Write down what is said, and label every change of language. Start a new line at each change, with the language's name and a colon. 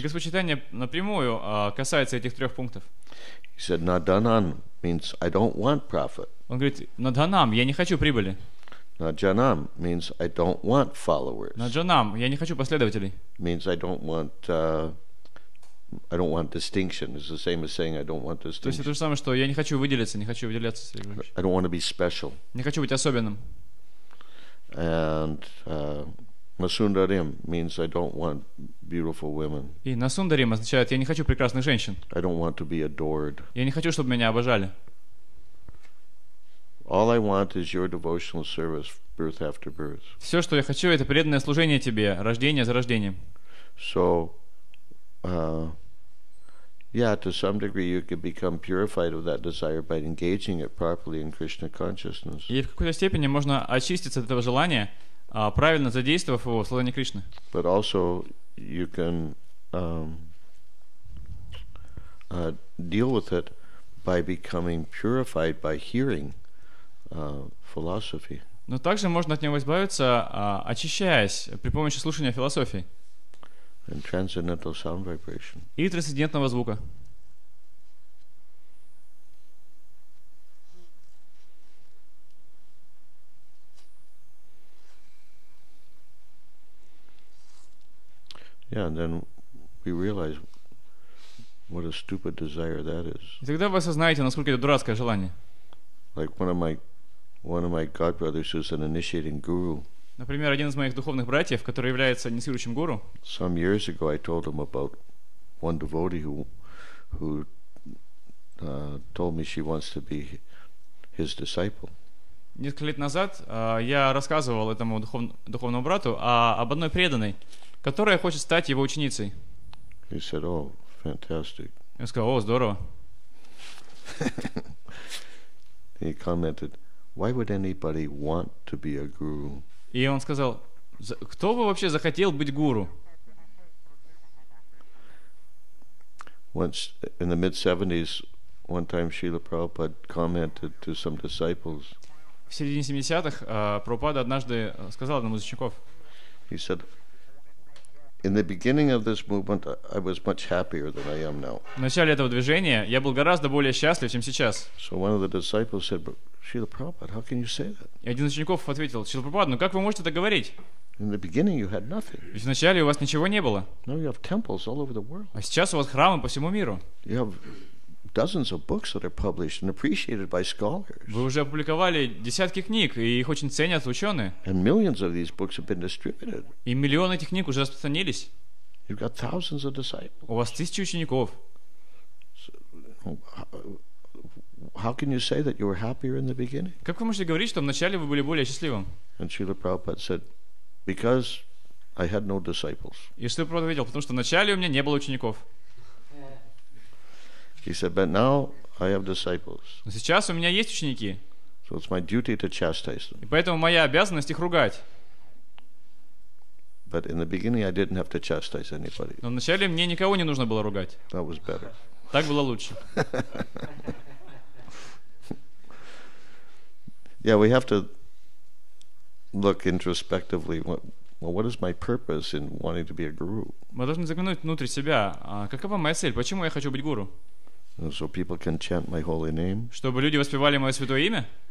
Russian: Господь Читания напрямую касается этих трех пунктов.
English: He said, "Nadanan means I don't want profit."
Russian: Он говорит, "Nadanam, я не хочу прибыли."
English: Nadjanam means I don't want followers.
Russian: Nadjanam, я не хочу последователей.
English: Means I don't want distinction. It's the same as saying I don't want distinction.
Russian: То есть это то же самое, что я не хочу выделиться, не хочу выделяться.
English: I don't want to be special.
Russian: Не хочу быть особенным.
English: And masundarim means I don't want beautiful women.
Russian: И насундарим означает я не хочу прекрасных женщин.
English: I don't want to be adored.
Russian: Я не хочу, чтобы меня обожали.
English: All I want is your devotional service, birth after birth.
Russian: Все, что я хочу, это преданное служение тебе, рождение за рождением.
English: So, yeah, to some degree you could become purified of that desire by engaging it properly in Krishna consciousness.
Russian: И в какой-то степени можно очиститься от этого желания, правильно задействовав его в сознании Кришны.
English: But also you can deal with it by becoming purified by hearing philosophy.
Russian: Но также можно от него избавиться, очищаясь при помощи слушания философии
English: and transcendental sound vibration.
Russian: И трансцендентного звука.
English: Yeah, and then we realize what a stupid desire that is.
Russian: И тогда вы осознаете, насколько это дурацкое желание.
English: Like one of my god brothers who's an initiating guru.
Russian: Например, один из моих духовных братьев, который является инициирующим гуру.
English: Some years ago, I told him about one devotee who told me she wants to be his disciple.
Russian: Несколько лет назад я рассказывал этому духовному брату об одной преданной, которая хочет стать его ученицей.
English: He said, "Oh, fantastic."
Russian: Я сказал, о, здорово.
English: He commented, "Why would anybody want to be a guru?"
Russian: И он сказал, кто бы вообще захотел быть гуру?
English: Once in the mid 70s, one time Srila Prabhupada commented to some disciples.
Russian: В середине 70-х Прабхупада однажды сказал одному из учеников.
English: He said, "In the beginning of this movement, I was much happier than I am now."
Russian: В начале этого движения я был гораздо более счастлив, чем сейчас.
English: So one of the disciples said, "Srila Prabhupada, how can you say that?"
Russian: И один из учеников ответил: "Srila Prabhupada, ну как вы можете это говорить?
English: In the beginning, you had nothing.
Russian: Ведь вначале у вас ничего не было.
English: Now you have temples all over the world.
Russian: А сейчас у вас храмы по всему миру.
English: You have dozens of books that are published and appreciated by scholars.
Russian: Вы уже опубликовали десятки книг, и их очень ценят ученые.
English: And millions of these books have been distributed.
Russian: И миллионы этих книг уже распространились.
English: You've got thousands of disciples.
Russian: У вас тысячи учеников.
English: How can you say that you were happier in the beginning?"
Russian: Как вы можете говорить, что вначале вы были более счастливым?
English: And Srila Prabhupada said, "Because I had no disciples."
Russian: И Srila Prabhupada ответил, потому что вначале у меня не было учеников.
English: He said, "But now I have disciples."
Russian: Но сейчас у меня есть ученики.
English: So it's my duty to chastise them.
Russian: И поэтому моя обязанность их ругать.
English: But in the beginning, I didn't have to chastise anybody.
Russian: Но вначале мне никого не нужно было ругать.
English: That was better.
Russian: Так было лучше.
English: Yeah, we have to look introspectively. What is my purpose in wanting to be a guru?
Russian: Мы должны заглянуть внутрь себя. Какова моя цель? Почему я хочу быть гуру? So people can chant my holy name. Чтобы люди воспевали мое святое имя.